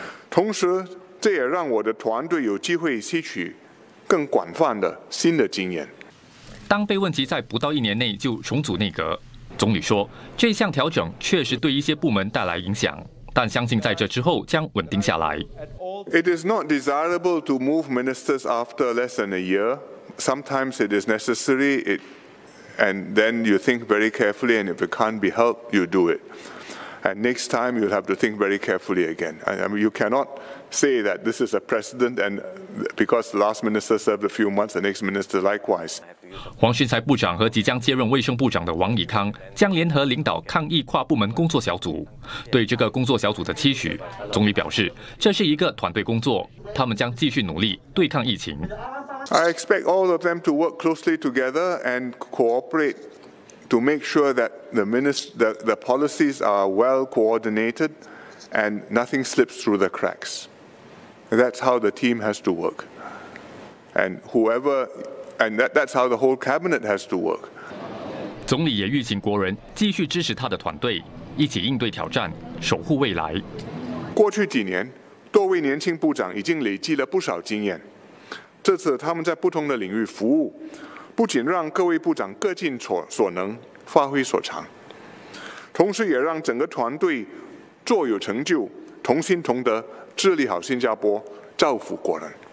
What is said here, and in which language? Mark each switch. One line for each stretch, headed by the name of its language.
Chinese: 同时，这也让我的团队有机会吸取更广泛的新的经验。当被问及在不到一年内就重组内阁，总理说，这项调整确实对一些部门带来影响，但相信在这之后将稳定下来。
English: It is not desirable to move ministers after less than a year. Sometimes it is necessary, and then you think very carefully, and if it can't be helped, you do it. And next time you'll have to think very carefully again. I mean, you cannot. Say that this is a precedent, and because the last minister served a few months, the next minister likewise.
Chinese: 黄循财部长和即将接任卫生部长的王以康将联合领导抗疫跨部门工作小组。对这个工作小组的期许，总理表示，这是一个团队工作，他们将继续努力对抗疫情。
English: I expect all of them to work closely together and cooperate to make sure that the policies are well coordinated and nothing slips through the cracks. That's how the team has to work. And that's how the whole cabinet has to work.
Chinese: 总理也预请国人继续支持他的团队，一起应对挑战，守护未来。过去几年，多位年轻部长已经累积了不少经验。这次他们在不同的领域服务，不仅让各位部长各尽所能，发挥所长，同时也让整个团队卓有成就，同心同德，治理好新加坡，造福国人。